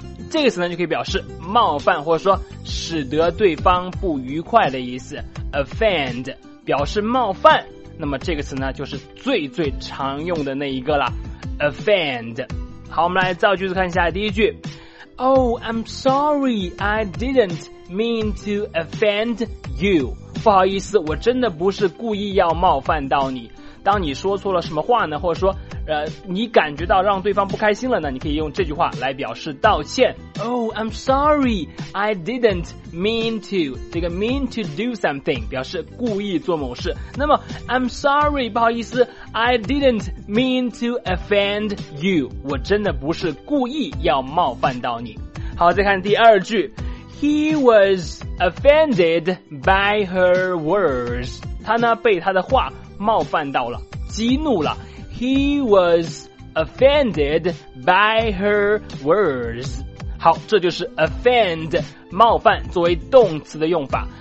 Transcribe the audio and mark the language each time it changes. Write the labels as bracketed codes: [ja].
[zh] 这个词呢就可以表示冒犯或者说使得对方不愉快的意思， offend 表示冒犯，那么这个词呢就是最最常用的那一个了， offend。好，我们来造句子看一下。第一句， [en] Oh, I'm sorry, I didn't mean to offend you。 [zh] 不好意思，我真的不是故意要冒犯到你。当你说错了什么话呢，或者说你感觉到让对方不开心了呢，你可以用这句话来表示道歉。 [en] Oh, I'm sorry, I didn't mean to。 [zh] 这个 mean to do something 表示故意做某事，那么 [en] I'm sorry [zh] 不好意思， [en] I didn't mean to offend you， [zh] 我真的不是故意要冒犯到你。好，再看第二句， [en] He was offended by her words。 [zh] 他呢被他的话冒犯到了，激怒了。 [en] He was offended by her words。 [zh] 好，这就是 offend 冒犯作为动词的用法。